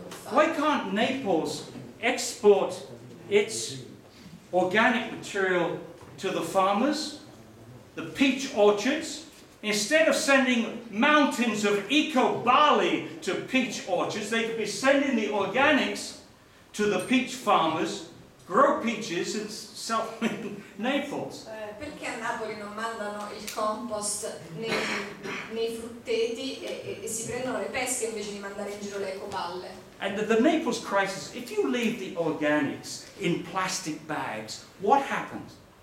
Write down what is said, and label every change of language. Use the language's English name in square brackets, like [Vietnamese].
[English] Why can't Naples export its organic material to the farmers, the peach orchards, instead of sending mountains of eco barley to peach orchards? They could be sending the organics to the peach farmers, grow peaches and sell in Naples. [Italian] Perché a Napoli non mandano il compost nei frutteti e si prendono le pesche invece di mandare in giro le ecoballe? [English] And the Naples crisis, if you leave the organics in plastic bags, what happens?